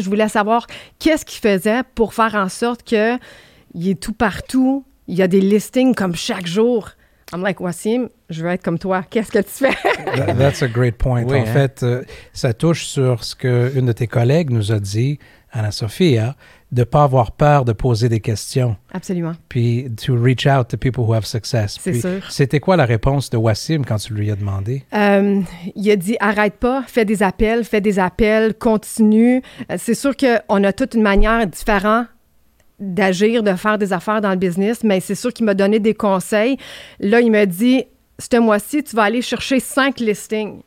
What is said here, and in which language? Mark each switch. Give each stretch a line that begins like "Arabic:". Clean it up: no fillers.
French: Je voulais savoir qu'est-ce qu'il faisait pour faire en sorte qu'il est tout partout. Il y a des listings comme chaque jour.
English: I'm like,
French: Wassim, je veux être comme toi. Qu'est-ce que tu fais?
English: That's a great point.
French: Oui, en fait, ça touche sur ce qu'une de tes collègues nous a dit, Anna-Sophia, de ne pas avoir peur de poser des questions. Absolument. Puis
English: to reach out to people who have success.
French: C'est sûr. C'était quoi la réponse de Wassim quand tu lui as demandé? Il a dit, arrête pas, fais des appels, continue. C'est sûr qu'on a toute une manière différente d'agir, de faire des affaires dans le business, mais c'est sûr qu'il m'a donné des conseils. Là, il m'a dit, ce mois-ci, tu vas aller chercher 5 listings.